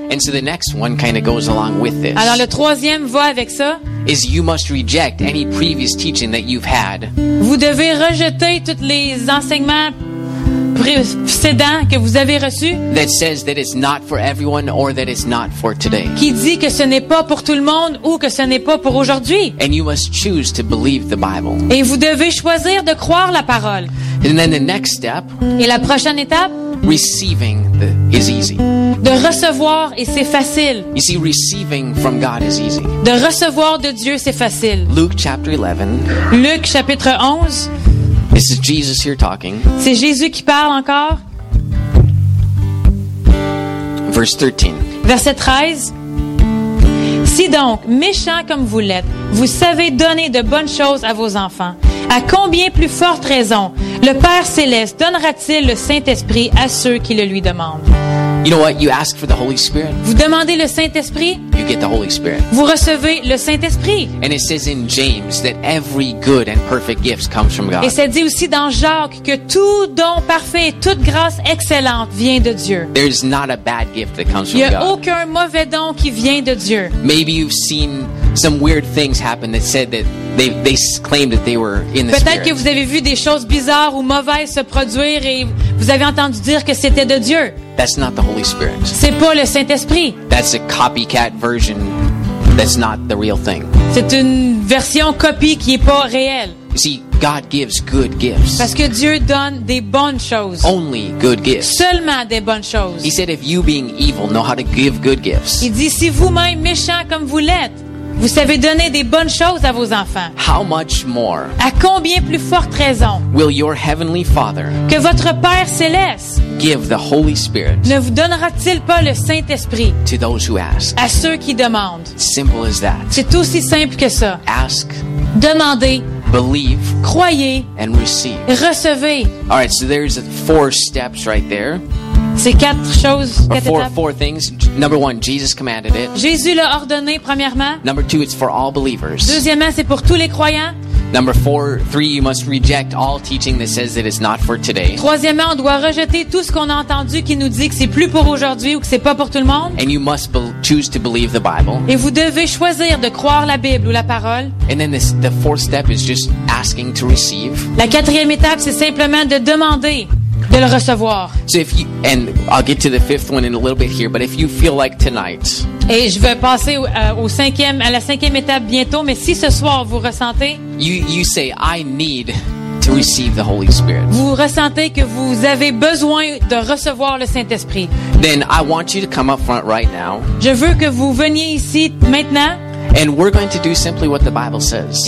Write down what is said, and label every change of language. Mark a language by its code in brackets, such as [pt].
[en] And so the next one kind of goes along with this. [fr] Alors le troisième va avec ça. [en] Is you must reject any previous teaching that you've had. [fr] Vous devez rejeter tous les enseignements précédent que vous avez reçu. [en] That says that it's not for everyone or that it's not for today. [fr] Qui dit que ce n'est pas pour tout le monde ou que ce n'est pas pour aujourd'hui. [en] And you must choose to believe the Bible. [fr] Et vous devez choisir de croire la parole. [en] And then the next step. [fr] Et la prochaine étape. [en] Receiving is easy. [fr] De recevoir et c'est facile. [en] You see, receiving from God is easy. [fr] De recevoir de Dieu c'est facile. [en] Luke chapter 11. [fr] Luc chapitre 11. [en] This is Jesus here talking. [fr] C'est Jésus qui parle encore. [en] Verse 13. [fr] Verset 13. Si donc, méchant comme vous l'êtes, vous savez donner de bonnes choses à vos enfants, à combien plus forte raison le Père céleste donnera-t-il le Saint-Esprit à ceux qui le lui demandent? [en] You know what? You ask for the Holy Spirit. [fr] Vous demandez le Saint-Esprit. [en] You get the Holy Spirit. [fr] Vous recevez le Saint-Esprit. [en] And it says in James that every good and perfect gift comes from God. [fr] Et c'est dit aussi dans Jacques que tout don parfait et toute grâce excellente vient de Dieu. [en] There is not a bad gift that comes from God. [fr] Il y a aucun mauvais don qui vient de Dieu. [en] Maybe you've seen some weird things happen that said that they claimed that they were in the [fr] Peut-être [en] Spirit. [fr] Peut-être que vous avez vu des choses bizarres ou mauvaises se produire et vous avez entendu dire que c'était de Dieu. [en] That's not the Holy Spirit. [fr] C'est pas le Saint-Esprit. [en] That's a copycat version. That's not the real thing. [fr] C'est une version copie qui est pas réelle. [en] You see, God gives good gifts. [fr] Parce que Dieu donne des bonnes choses. [en] Only good gifts. [fr] Seulement des bonnes choses. [en] He said, if you being evil know how to give good gifts. [fr] Il dit si vous-même méchant comme vous l'êtes, vous savez donner des bonnes choses à vos enfants. [en] How much more? [fr] À combien plus forte raison? [en] Will your heavenly Father? [fr] Que votre Père céleste? [en] Give the Holy Spirit. [fr] Ne vous donnera-t-il pas le Saint-Esprit? [en] To those who ask. [fr] À ceux qui demandent. [en] Simple as that. [fr] C'est aussi simple que ça. [en] Ask. [fr] Demandez. [en] Believe. [fr] Croyez. [en] And receive. [fr] Recevez. [en] All right, so there's four steps right there. [fr] C'est quatre choses, quatre [en] étapes. Four things. Number one, Jesus commanded it. [fr] Jésus l'a ordonné premièrement. [en] Number two, it's for all believers. [fr] Deuxièmement, c'est pour tous les croyants. [en] Number four, three, you must reject all teaching that says that it's not for today. [fr] Troisièmement, on doit rejeter tout ce qu'on a entendu qui nous dit que c'est plus pour aujourd'hui ou que c'est pas pour tout le monde. [en] And you must choose to believe the Bible. [fr] Et vous devez choisir de croire la Bible ou la parole. [en] And then the fourth step is just asking to receive. [fr] La quatrième étape, c'est simplement de demander. De le recevoir. [en] So if you, and I'll get to the fifth one in a little bit here, but if you feel like tonight. [fr] Et je vais passer au cinquième, à la cinquième étape bientôt, mais si ce soir vous ressentez. [en] You say, I need to receive the Holy Spirit. [fr] Vous ressentez que vous avez besoin de recevoir le Saint-Esprit. [en] Then I want you to come up front right now. [fr] Je veux que vous veniez ici maintenant. [en] And we're going to do simply what the Bible says.